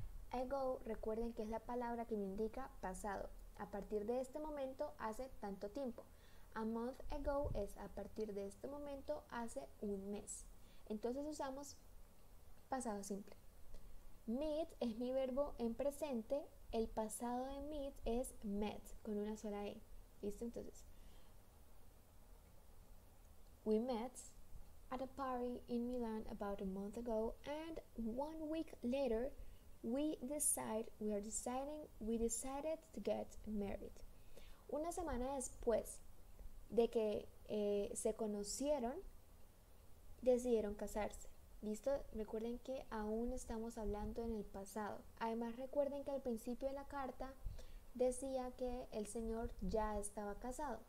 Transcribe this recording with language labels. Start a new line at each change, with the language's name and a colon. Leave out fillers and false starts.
Spanish: Ago, recuerden que es la palabra que me indica pasado. A partir de este momento, hace tanto tiempo.
English: A month ago
Spanish: es a partir de este momento, hace un mes. Entonces usamos pasado simple. Meet es mi verbo en presente. El pasado de meet es met, con una sola E. ¿Listo? Entonces,
English: we met at a party in Milan about a month ago, and 1 week later, we decided to get married.
Spanish: Una semana después de que se conocieron, decidieron casarse. ¿Listo? Recuerden que aún estamos hablando en el pasado. Además, recuerden que al principio de la carta decía que el señor ya estaba casado.